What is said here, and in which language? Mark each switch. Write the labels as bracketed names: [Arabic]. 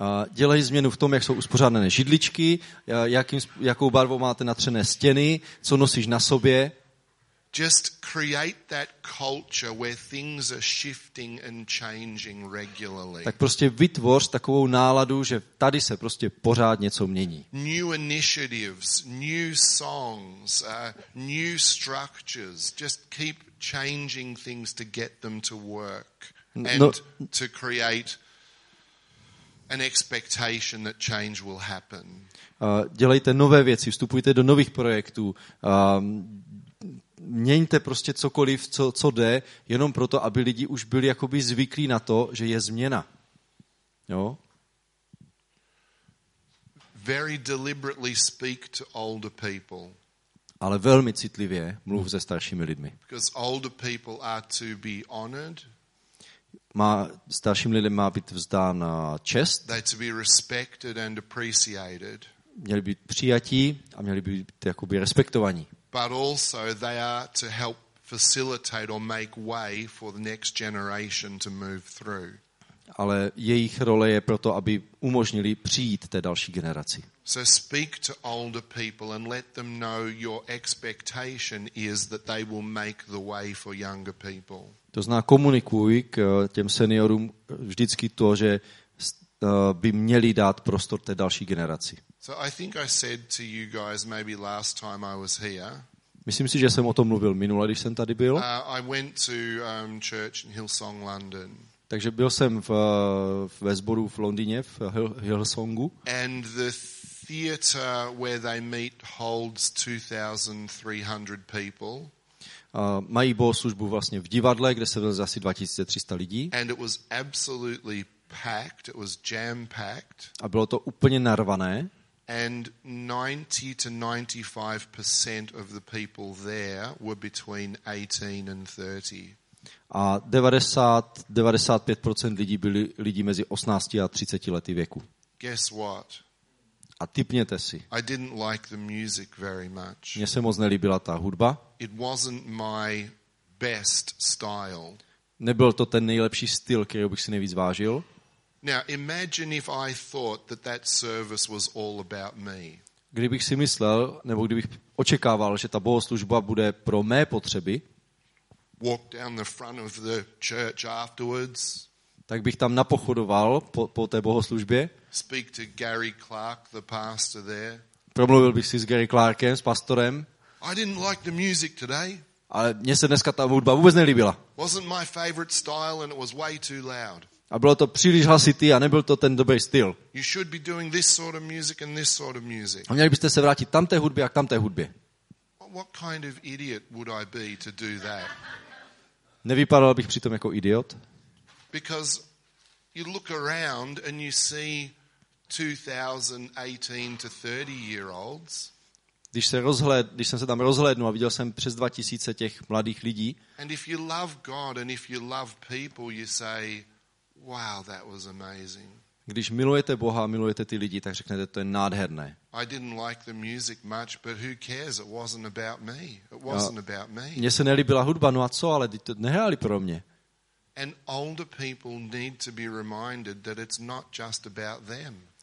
[Czech] Dělej změnu v tom, jak jsou uspořádané židličky, jakou barvou máte natřené stěny, co nosíš na sobě. [English] Just create that culture where things are shifting and changing regularly. [Czech] Tak prostě vytvoř takovou náladu, že tady se prostě pořád něco mění. [English] New initiatives, new songs, new structures. Just keep changing things to get them to work and to create an expectation that change will happen. [Czech] Dělejte nové věci, vstupujte do nových projektů. Měňte prostě cokoliv, co jde, jenom proto, aby lidi už byli jakoby zvyklí na to, že je změna. Jo? [English] Very deliberately speak to older people. [Czech] Ale velmi citlivě mluv se staršími lidmi. [English] Because older people are to be honored. [Czech] Starším lidem má být vzdána čest. [English] They're to be respected and appreciated. [Czech] Měli být přijatí a měli být jakoby respektovaní. [English] But also they are to help facilitate or make way for the next generation to move through. [Czech] Ale jejich role je proto, aby umožnili přijít té další generaci. [English] So speak to older people and let them know your expectation is that they will make the way for younger people. [Czech] To znamená, komunikuj k těm seniorům vždycky to, že by měli dát prostor té další generaci. [English] So I think I said to you guys maybe last time I was here. [Czech] Myslím si, že jsem o tom mluvil minule, když jsem tady byl. [English] I went to church in Hillsong, London. [Czech] Takže byl jsem ve sboru v Londýně v Hillsongu. [English] And the theater where they meet holds 2300 people. [Czech] Mají bohoslužbu vlastně v divadle, kde se vezme asi 2300 lidí. [English] And it was absolutely packed, it was jam packed. [Czech] A bylo to úplně narvané. [English] And 90-95% of the people there were between 18 and 30. [Czech] A 90-95% lidí byli lidi mezi 18 a 30 lety věku. [English] Guess what? [Czech] A tipněte si. [English] I didn't like the music very much. [Czech] Mně se moc nelíbila ta hudba. [English] It wasn't my best style. [Czech] Nebyl to ten nejlepší styl, který bych si nejvíc vážil. [English] Now imagine if I thought that that service was all about me. [Czech] Kdybych si myslel, nebo kdybych očekával, že ta bohoslužba bude pro mé potřeby. [English] Walk down the front of the church afterwards. [Czech] Tak bych tam napochodoval po té bohoslužbě. [English] Speak to Gary Clark, the pastor there. [Czech] Promluvil bych si s Gary Clarkem, s pastorem. [English] I didn't like the music today. [Czech] Ale mně se dneska ta hudba vůbec nelíbila. [English] Wasn't my favorite style and it was way too loud. [Czech] A bylo to příliš hlasitý a nebyl to ten dobrý styl. [English] You should be doing this sort of music and this sort of music. [Czech] A měli byste se vrátit tamté hudbě a k tamté hudbě. [English] What kind of idiot would I be to do that? [Czech] Nevypadal bych přitom jako idiot? [English] Because you look around and you see 2018 to 30 year olds. [Czech] Když jsem se tam rozhlédnul a viděl jsem přes 2000 těch mladých lidí. [English] And if you love God and if you love people, you say, wow, that was amazing. [Czech] Když milujete Boha, milujete ty lidi, tak řeknete, to je nádherné. [English] I didn't like the music much, but who cares? It wasn't about me. It wasn't about me. [Czech] Mně se nelíbila hudba, no a co, ale ty to nehráli pro mě. [English] And older people need to be reminded that it's not just about them.